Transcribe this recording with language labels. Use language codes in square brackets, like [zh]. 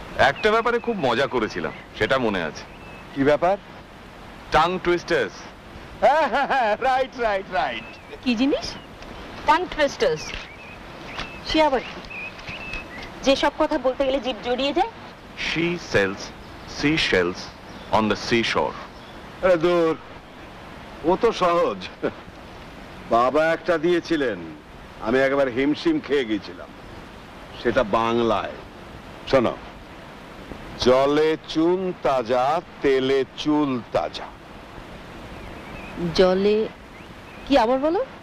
[bn] একটা ব্যাপারে খুব মজা করেছিলাম, সেটা মনে আছে। কি ব্যাপার? টাং টুইস্টার্স। Right right right. কি জিনিস টাং টুইস্টার্স? সে আবার যেসব কথা বলতে গেলে জিভ জড়িয়ে যায়। [en] She sells seashells on the seashore. [bn] দূর, ও তো সহজ। বাবা একটা দিয়েছিলেন, আমি একবার হিমশিম খেয়ে গেছিলাম, সেটা বাংলায়। শোনো, জলে চুন তাজা, তেলে চুল তাজা। জলে কি আবার বলো?